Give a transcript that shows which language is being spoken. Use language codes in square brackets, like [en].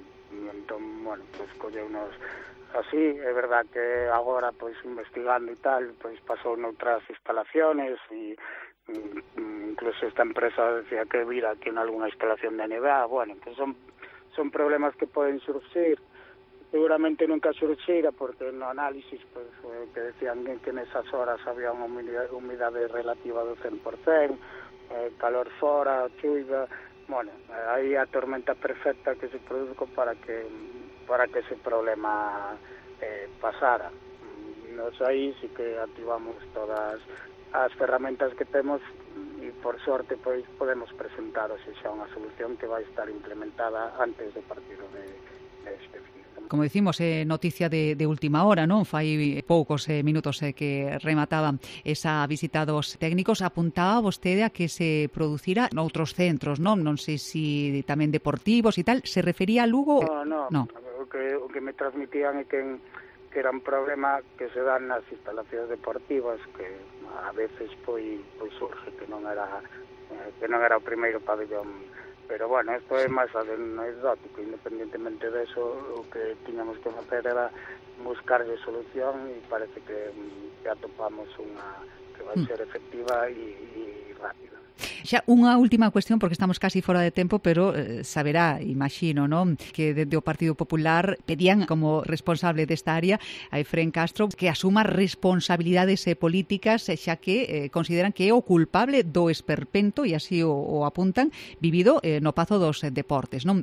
[gl] Y entón, bueno, pues colleunos así. É verdad que agora, pois investigando e tal, pois pasou noutras instalacións e incluso esta empresa decía que vira aquí en alguna instalación de NBA. Bueno, pues son problemas que poden surgir. Seguramente nunca surxira, porque no análisis pues, que decían que en esas horas había unha humidade relativa do 100%, calor fora, chuva, bueno, aí a tormenta perfecta que se produzco para que ese problema pasara. Nos aí sí que activamos todas as ferramentas que temos e por sorte pois podemos presentar o xa unha solución que vai estar implementada antes do partido de este fin. Como dicimos, noticia de última hora, non? Fai poucos minutos que remataban esa visita dos técnicos. Apuntaba vostede a que se producira en outros centros, non? Non sei se tamén deportivos e tal. ¿Se refería a Lugo? No. O que me transmitían é que era un problema que se dan nas instalacións deportivas, que a veces pois surge que non era o primeiro pabellón. [es] Pero bueno, esto es más anecdótico, independientemente de eso, lo que teníamos que hacer era buscar de solución y parece que ya topamos una que va a ser efectiva y rápida. [gl] Xa, unha última cuestión, porque estamos casi fora de tempo, pero saberá, imagino, non? Que desde o Partido Popular pedían como responsable desta área a Efrén Castro que asuma responsabilidades políticas, xa que consideran que é o culpable do esperpento, e así o apuntan, vivido no Pazo dos Deportes, non?